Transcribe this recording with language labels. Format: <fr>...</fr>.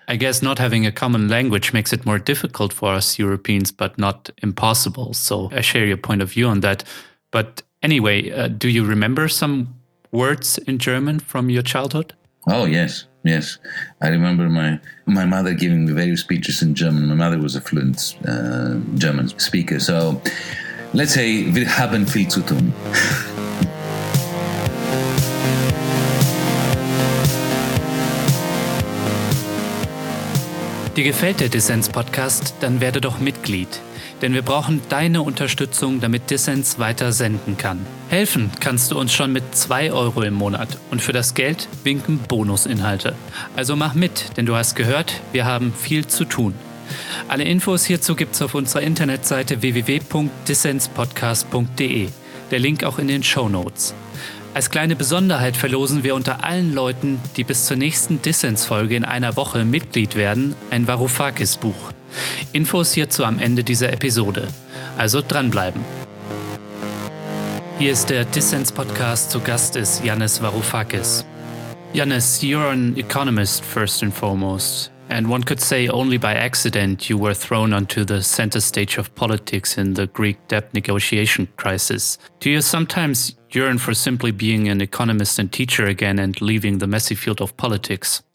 <en>I guess not having a common language makes it more difficult for us Europeans, but not impossible. So I share your point of view on that. But anyway, do you remember some words in German from your childhood? Oh, yes. I remember my mother giving me various speeches in German. My mother was a fluent German speaker. So let's say,</en> <de>wir haben viel zu tun. Dir gefällt der Dissens-Podcast? Dann werde doch Mitglied. Denn wir brauchen deine Unterstützung, damit Dissens weiter senden kann. Helfen kannst du uns schon mit 2 € im Monat. Und für das Geld winken Bonusinhalte. Also mach mit, denn du hast gehört, wir haben viel zu tun. Alle Infos hierzu gibt's auf unserer Internetseite www.dissenspodcast.de. Der Link auch in den Shownotes. Als kleine Besonderheit verlosen wir unter allen Leuten, die bis zur nächsten Dissens-Folge in einer Woche Mitglied werden, ein Varoufakis-Buch. Infos hierzu am Ende dieser Episode. Also dranbleiben. Hier ist der Dissens-Podcast. Zu Gast ist Yannis Varoufakis.</de> <en>Yannis, you're an economist first and foremost. And one could say only by accident you were thrown onto the center stage of politics in the Greek debt negotiation crisis. Do you sometimes yearn for simply being an economist and teacher again and leaving the messy field of politics?</en>